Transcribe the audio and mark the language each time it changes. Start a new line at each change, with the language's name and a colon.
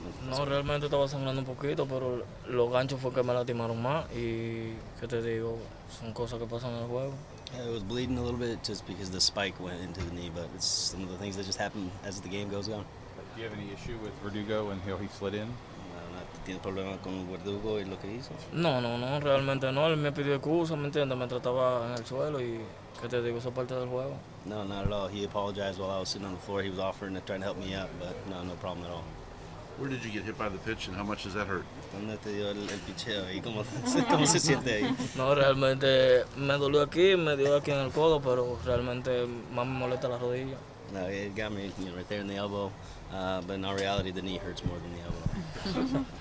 Spanish: No, realmente estaba sangrando un poquito, pero los ganchos fue que me lastimaron más y que te digo, son cosas que pasan en el juego.
English: It was bleeding a little bit just because the spike went into the knee, but it's some of the things that just happen as the game goes on. Do you have any issue with Verdugo and how he slid in?
Spanish: ¿Tienes problema con Verdugo y lo que hizo? No, realmente no. Él me pidió excusa, ¿me entiendes? Me trataba en el suelo y, ¿qué te digo? Eso es parte del juego.
English: No, not at all. He apologized while I was sitting on the floor. He was offering to try to help me out, but no problem at all. Where did you get hit by the pitch and how much does that hurt?
Spanish: ¿Dónde te dio el picheo y cómo se siente ahí? No, realmente me dolió aquí, me dio aquí en el codo, pero realmente más me molesta la rodilla.
English: No, it got me, you know, right there in the elbow, but in all reality, the knee hurts more than the elbow.